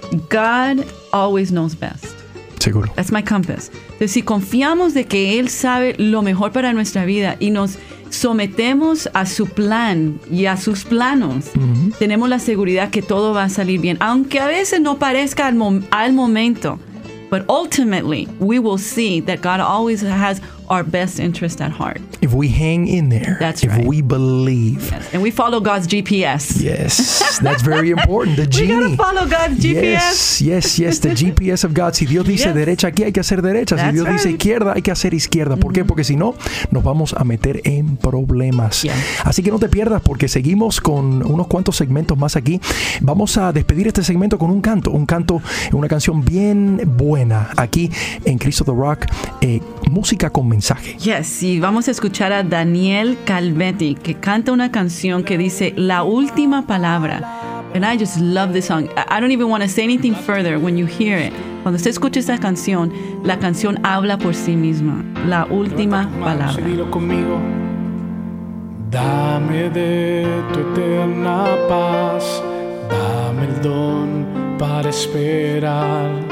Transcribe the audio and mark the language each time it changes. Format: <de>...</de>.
<en>God always knows best.</en> <es>Seguro.</es> <en>That's my compass.</en> <es>Entonces, si confiamos de que Él sabe lo mejor para nuestra vida y nos sometemos a su plan y a sus planos, tenemos la seguridad que todo va a salir bien. Aunque a veces no parezca al momento.</es> <en>But ultimately, we will see that God always has our best interest at heart. If we hang in there. That's if right. We believe. Yes. And we follow God's GPS. Yes. That's very important. The genie. We gotta follow God's GPS. Yes, yes, yes. The GPS of God.</en> <es>Si Dios dice derecha aquí, hay que hacer derecha.</es> <en>That's</en> <es>si Dios</es> <en>right.</en> <es>dice izquierda, hay que hacer izquierda. ¿Por qué? Porque si no, nos vamos a meter en problemas.</es> <en>Yeah.</en> <es>Así que no te pierdas porque seguimos con unos cuantos segmentos más aquí. Vamos a despedir este segmento con un canto, una canción bien buena aquí en Cristo the Rock. Música con mensaje. Yes, y vamos a escuchar a Daniel Calvetti, que canta una canción que dice La Última Palabra.</es> <en>And I just love this song. I don't even want to say anything further when you hear it.</en> <es>Cuando usted escucha esta canción, la canción habla por sí misma. La Última Palabra. Seguilo conmigo. Dame de tu eterna paz. Dame el don para esperar.</es>